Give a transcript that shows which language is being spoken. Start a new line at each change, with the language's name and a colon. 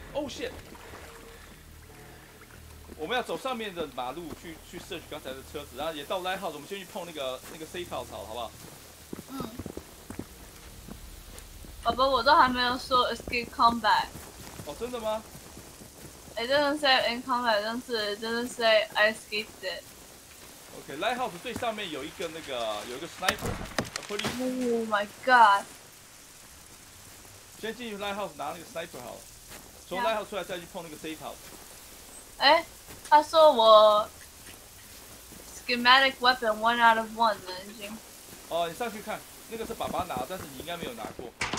English: Oh shit!
Chinese: 我们要走上面的马路去search 刚才的车子，然后也到 lighthouse， 我们先去碰那个 safe house 好不好？嗯。宝宝，我都还没有说
English: escape combat。
Chinese: 哦，真的吗
English: ？It doesn't say in combat，
Chinese: 但是
English: it doesn't say I escaped it。
Chinese: Okay, lighthouse 最上面有一个那个有一个 sniper，
English: a police。 Oh my god！
Chinese: 先进去 lighthouse 拿那个 sniper 好了，从 lighthouse 出来再去碰那个 safe house。哎，他说我
English: schematic weapon one out of one
Chinese: 了已经。哦，你上去看，那个是爸爸拿，但是你应该没有拿过。